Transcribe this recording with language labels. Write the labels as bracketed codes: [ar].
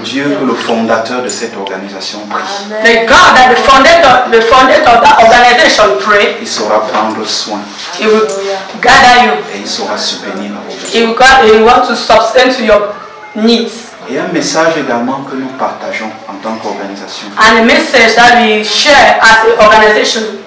[fr] Dieu que le fondateur de cette organisation prie. [en] The God that the fondateur of that organization pray. [fr] Il saura prendre soin. [en] He will gather you. [fr] Et il saura subvenir à vos besoins. [en] He will guide, he want to sustain to your needs. [fr] Et un message également que nous partageons en tant qu'organisation. [en] And a message that we share as an organization.